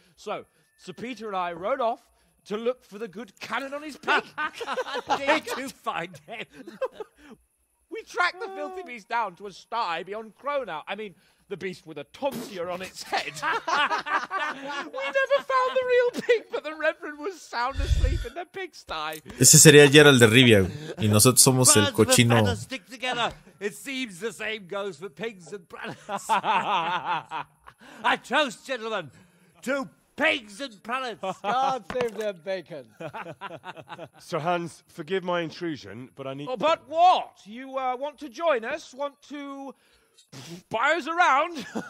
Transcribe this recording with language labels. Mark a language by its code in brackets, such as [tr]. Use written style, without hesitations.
[en] So Sir Peter and I rode off to look for the good canon on his pig. Did to find him. We tracked the filthy beast down to a sty beyond Cronau. I mean, the beast with a tonsure on its head. We never found the real pig, but the reverend was sound asleep in the pigsty. [es] Ese sería Geralt de Rivia, y nosotros somos el cochino. [en] Brothers stick together. It seems the same goes for pigs and brothers. I toast, gentlemen, to pigs and prelates. God save their bacon. Sir Hans, forgive my intrusion, but I need... Oh, but what? You want to join us? Want to buy us around?